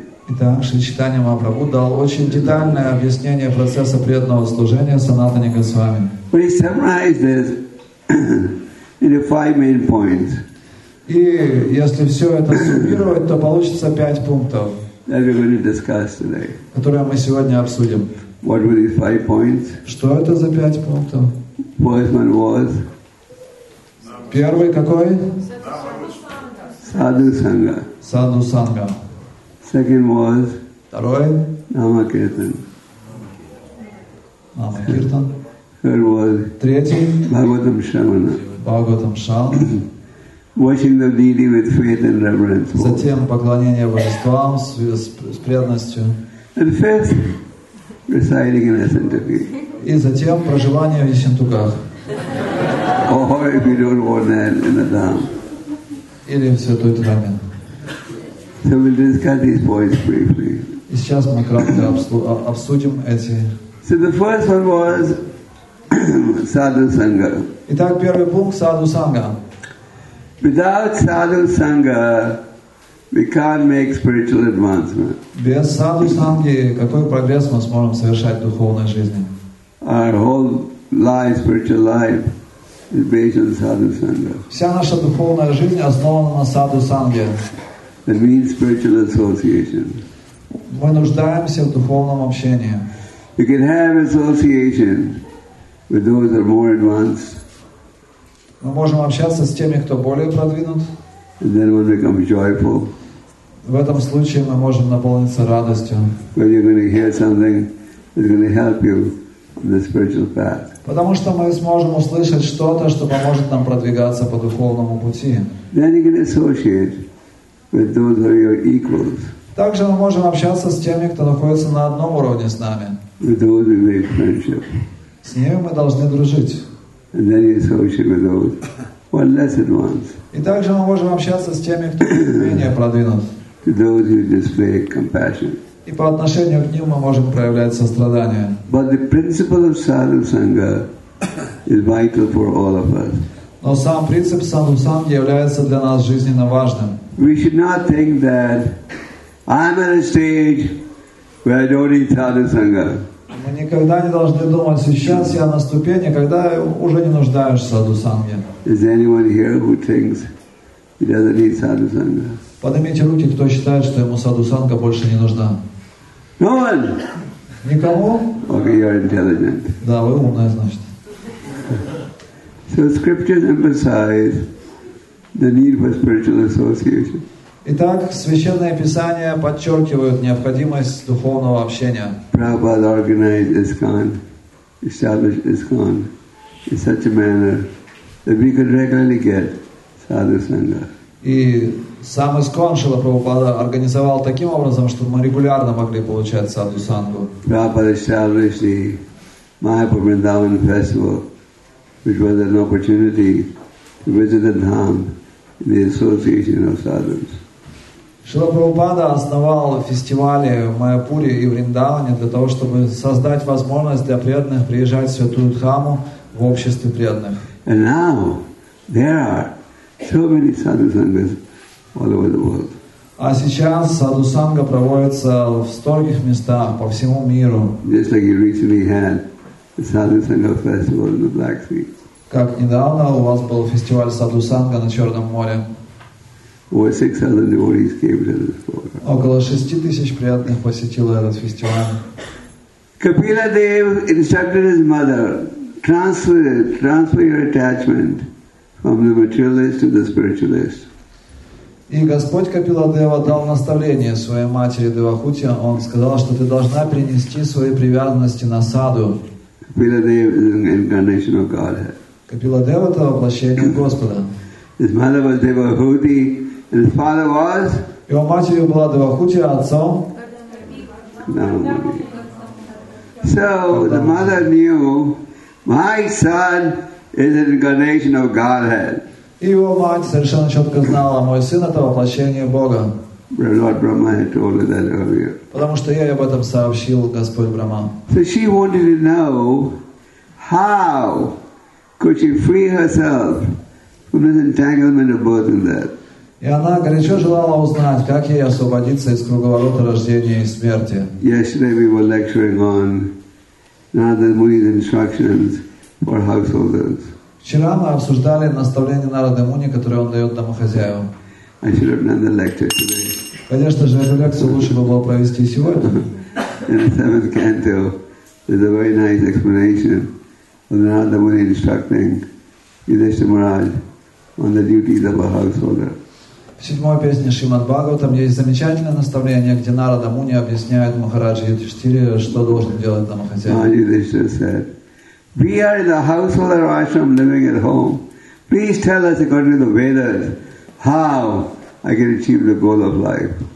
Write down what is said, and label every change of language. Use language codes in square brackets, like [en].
[ru] Итак, Шри Чайтанья Махапрабху дал очень детальное объяснение процесса преданного служения Санатани Госвами. [en] But he summarized this into five main points. [ru] И если все это суммировать, то получится пять пунктов, [en] that we're going to discuss today. [ru] Которые мы сегодня обсудим. [en] What were these five points? [ru] Что это за пять пунктов? [en] First one was. [ru] Первый какой? [sa] Саду Санга. Саду Санга. [en] Second was. [ru] Второй. [sa] Намакиртан. Намакиртан. [en] Third was. [ru] Третий. [sa] Бхагаватам Шравана. Бхагаватам Шравана. [en] Watching the deity with faith and reverence. [ru] Затем поклонение божествам с преданностью. [en] And fifth, residing in Asindhi. [ru] И затем проживание в Исиндхуках. [en] Oh, if you don't want that in the dham. [ru] Или в Святой Траме. [en] So we'll discuss these points briefly. [ru] И сейчас мы кратко обсудим эти. [en] So the first one was sadhu sangha. [ru] Итак, первый пункт sadhu sangha. [en] Without sadhu sangha, we can't make spiritual advancement. [ru] Без sadhu sanghi какой прогресс мы сможем совершать в духовной жизни? [en] Our whole life, spiritual life. It's based on sadhu sangha. [ru] Вся наша духовная жизнь основана на sadhu sanghe. [en] That means spiritual association. [ru] Мы нуждаемся в духовном общении. [en] You can have association with those that are more advanced. [ru] Мы можем общаться с теми, кто более продвинут. [en] And then we'll become joyful. [ru] В этом случае мы можем наполниться радостью. [en] When you're going to hear something that's going to help you on the spiritual path. [ru] Потому что мы сможем услышать что-то, что поможет нам продвигаться по духовному пути. [en] Then you can associate with those who are your equals. [ru] Также мы можем общаться с теми, кто находится на одном уровне с нами. [en] With those we make friendship. [ru] С ними мы должны дружить. [en] And then you associate with those who are less advanced. [ru] И также мы можем общаться с теми, кто менее продвинут. [en] To those who display compassion. [ru] И по отношению к ним мы можем проявлять сострадание. [en] But the principle of sadhu sangha is vital for all of us. [ru] Но сам принцип sadhu sangha является для нас жизненно важным. [en] We should not think that I'm at a stage where I don't need sadhu sangha. [ru] Мы никогда не должны думать, сейчас я на ступени, когда уже не нуждаюсь в sadhu sangha. [en] Is there anyone here who thinks he doesn't need sadhu sangha? [ru] Поднимите руки, кто считает, что ему саду санга больше не нужна. [en] No one. [ru] Никому? [en] Okay, you're intelligent. [ru] Да, вы умная, значит. [en] So scriptures emphasize the need for spiritual association. [ru] Итак, священное писание подчеркивает необходимость духовного общения. [en] Prabhupada organized ISKCON, established ISKCON in such a manner we could regularly get sadhu sangha. [ru] И сам Искон Шрила Прабхупада организовал таким образом, чтобы мы регулярно могли получать саду сангу. [en] Prabhupada established the Mahapur Vrindavan festival, which was an opportunity to visit the dham in the association of sadhus. [ru] Шрила Прабхупада основал фестивали в Майяпуре и Вриндаване для того, чтобы создать возможность для преданных приезжать в святую дхаму в обществе преданных. [en] And now there are so many sadhu sanghas all over the world. [ru] А сейчас саду санга проводится в стольких местах по всему миру. [en] Just like you recently had the sadhu sangha festival in the Black Sea. [ru] Как недавно у вас был фестиваль саду санга на Черном море. [en] Over 6,000 devotees came to this program. [ru] Около 6,000 преданных посетило этот фестиваль. [en] Kapila Dev instructed his mother, transfer your attachment from the materialist to the spiritualist. [ru] И Господь Капила Дева дал наставление своей матери Девахути. Он сказал, что ты должна принести свои привязанности на саду. [en] Kapila Dev is an incarnation of Godhead. [ru] Капила Дева — это воплощение Господа. [en] His mother was Devahuti, and his father was. [ru] Его матерью была Девахути, отцом. [en] So the mother knew, my son is an incarnation of Godhead. [ru] И его мать совершенно четко знала, мой сын — это воплощение Бога. [en] Lord Brahma had told her that earlier. [ru] Потому что ей об этом сообщил Господь Брахма. [en] So she wanted to know how could she free herself from this entanglement of birth and death. [ru] И она горячо желала узнать, как ей освободиться из круговорота рождения и смерти. [en] Yesterday we were lecturing on Narada Muni's instructions for householders. [ru] Вчера мы обсуждали наставление Нарады Муни, которое он дает домохозяевам. [en] I should have done the lecture today. [ru] Конечно же, эту лекцию лучше бы было провести сегодня. [en] In the seventh canto, there's a very nice explanation of Narada Muni instructing Yudhishthira Maharaj on the duties of a householder. [ru] В седьмой песне Шримад Бхагаватам есть замечательное наставление, где Нарада Муни объясняет Махараджи Юдхиштхире, что должен делать домохозяин. [en] We are in the household of ashram living at home. Please tell us according to the Vedas how I can achieve the goal of life.